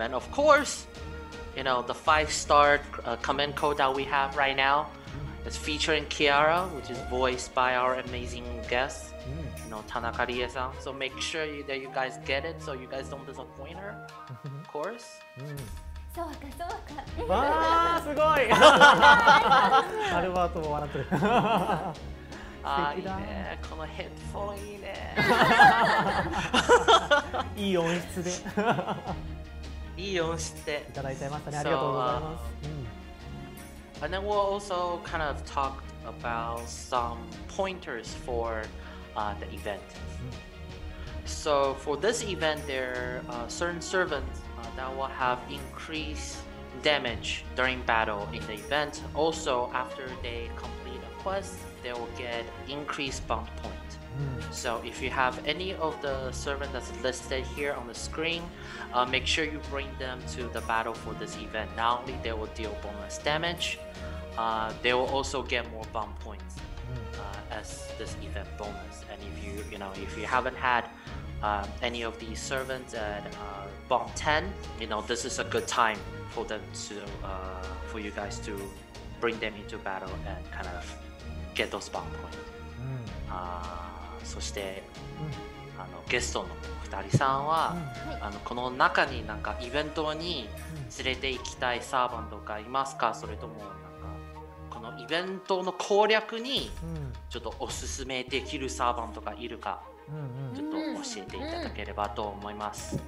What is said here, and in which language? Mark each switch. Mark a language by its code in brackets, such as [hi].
[en] And of course, you know, the 5-star command code that we have right now is featuring Kiara, which is voiced by our amazing guest, you know, Tanaka Rie-san. So make sure that you guys get it so you guys don't disappoint her, of course. [ja] そうか、そうか。わー、すごいアルバートも笑ってる。あー、いいね。このヘッドフォンいいね。いい音質で。いい音質で。いただいちゃいましたね。ありがとうございます。 [en] And then we'll also kind of talk about some pointers for the event. So for this event, there are certain servants. That will have increased damage during battle in the event. Also, after they complete a quest, they will get increased bond point. So if you have any of the servants that's listed here on the screen, make sure you bring them to the battle for this event. Not only they will deal bonus damage, they will also get more bond points as this event bonus. And if you, you know, if you haven't had any of these servants at bond 10, you know, this is a good time for them to, for you guys to bring them into battle and kind of get those bond points. [ja] そして、あのゲストの二人さんは、あのこの中になんかイベントに連れて行きたいサーバントがいますか？それともなんかこのイベントの攻略にちょっとおすすめできるサーバントがいるか？ちょっと教えていただければと思います。